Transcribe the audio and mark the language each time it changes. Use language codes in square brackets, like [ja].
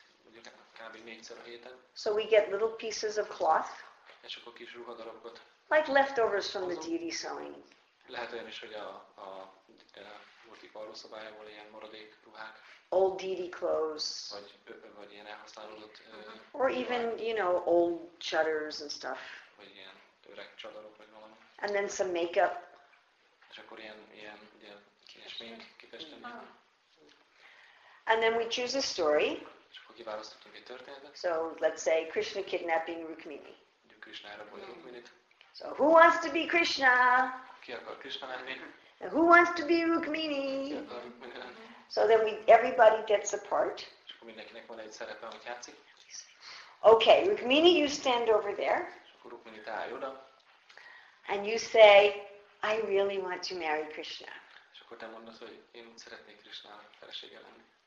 [hu] Ugye kb. Négyszer a héten. [en] So we get little pieces of cloth. [hu] És akkor kis ruhadarabokat. [en] Like leftovers from the deity sewing. [hu] Lehet olyan is, hogy a volt itt hallószobájából ilyen maradék ruhák. [en] Old deity clothes. [hu] Vagy ilyen elhasználódott. [en] Or even, you know, old chadors and stuff. [hu] Vagy ilyen öreg csadorok, vagy valami. [en] And then some makeup. [hu] És akkor ilyen smink, kifestem. [en] And then we choose a story. [hu] És akkor kiválasztottunk egy történetet. [en] So, let's say, Krishna kidnapping Rukmini. [hu] Krishna elrabolja Rukminit. [en] So, who wants to be Krishna? [hu] Ki akar Krishna lenni? [en] Who wants to be Rukmini? So then everybody gets a part. [hu] És akkor mindenkinek van egy szerepe, amit játszik. [en] Okay, Rukmini, you stand over there. [hu] És akkor Rukmini, te állj oda. [en] And you say, I really want to marry Krishna. [hu] És akkor te mondod, hogy én szeretnék Krishna felesége lenni.